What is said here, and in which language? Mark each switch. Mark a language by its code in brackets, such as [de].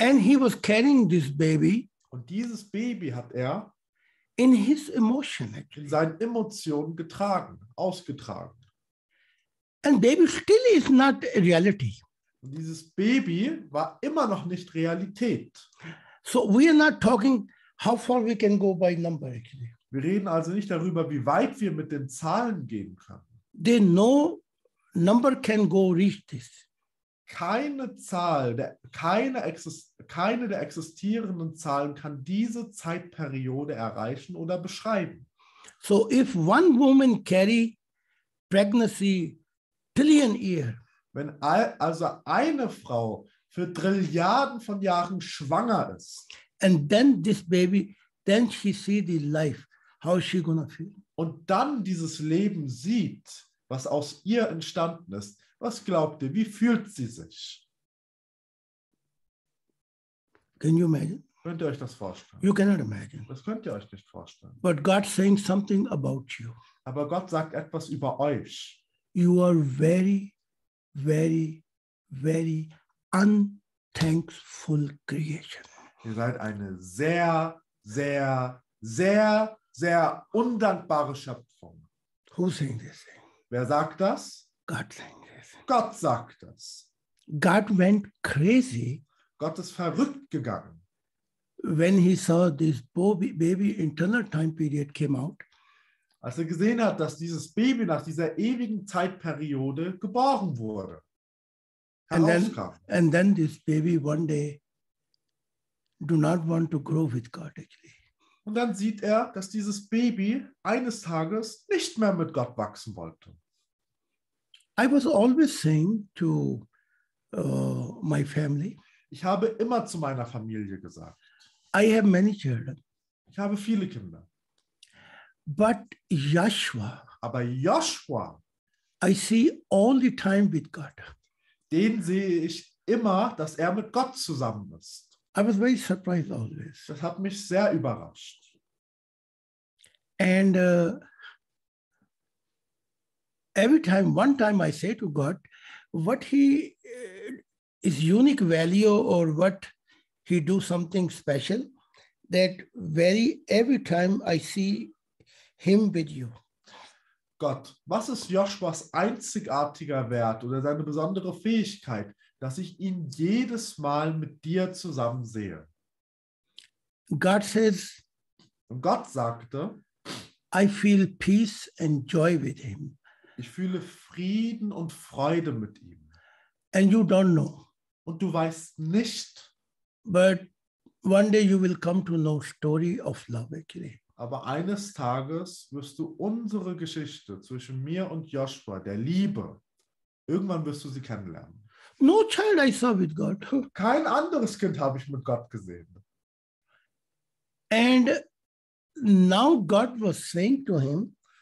[en] And he was carrying this baby. [de] Und dieses Baby hat er [en] in his emotion, [de] in seinen Emotionen getragen, ausgetragen. [en] And baby still is not a reality. [de] Und dieses Baby war immer noch nicht Realität. [en] So we are not talking how far we can go by number. [de] Wir reden also nicht darüber, wie weit wir mit den Zahlen gehen können. [en] Then no number can go reach this. [de] Keine Zahl, keine der existierenden Zahlen kann diese Zeitperiode erreichen oder beschreiben. [en] So if one woman carry pregnancy trillion years, [de] wenn also eine Frau für Trilliarden von Jahren schwanger ist, [en] and then this baby, then she see the life, how is she gonna feel? [de] Und dann dieses Leben sieht, was aus ihr entstanden ist, was glaubt ihr, wie fühlt sie sich? [en] Can you imagine? [de] Könnt ihr euch das vorstellen? [en] You cannot imagine. [de] Das könnt ihr euch nicht vorstellen. [en] But God saying something about you. [de] Aber Gott sagt etwas über euch. [en] You are very, very, very unthankful creation. [de] Ihr seid eine sehr, sehr, sehr, sehr undankbare Schöpfung. [en] Who saying this? [de] Wer sagt das? [en] God saying this. [de] Gott sagt das. [en] God went crazy. [de] Gott ist verrückt gegangen. [en] When he saw this baby internal time period came out. [de] Als er gesehen hat, dass dieses Baby nach dieser ewigen Zeitperiode geboren wurde. [en] And then this baby one day do not want to grow with God actually. [de] Und dann sieht er, dass dieses Baby eines Tages nicht mehr mit Gott wachsen wollte. [en] I was always saying to my family. [de] Ich habe immer zu meiner Familie gesagt. [en] I have many children. [de] Ich habe viele Kinder. [en] But Joshua. [de] Aber Joshua. [en] I see all the time with God. [de] Den sehe ich immer, dass er mit Gott zusammen ist. [en] I was very surprised always. [de] Das hat mich sehr überrascht. [en] And every time, one time I say to God, what he is unique value or what he do something special, that very every time I see him with you. [de] Gott, was ist Joshuas einzigartiger Wert oder seine besondere Fähigkeit, dass ich ihn jedes Mal mit dir zusammen sehe? [en] God says, [de] und Gott sagte, [en] I feel peace and joy with him. [de] Ich fühle Frieden und Freude mit ihm. [en] And you don't know. [de] Und du weißt nicht. [en] But one day you will come to know story of love actually. [de] Aber eines Tages wirst du unsere Geschichte zwischen mir und Joshua, der Liebe, irgendwann wirst du sie kennenlernen. [en] No child I saw with God. [de] Kein anderes Kind habe ich mit Gott gesehen. [en] And now God was saying to him.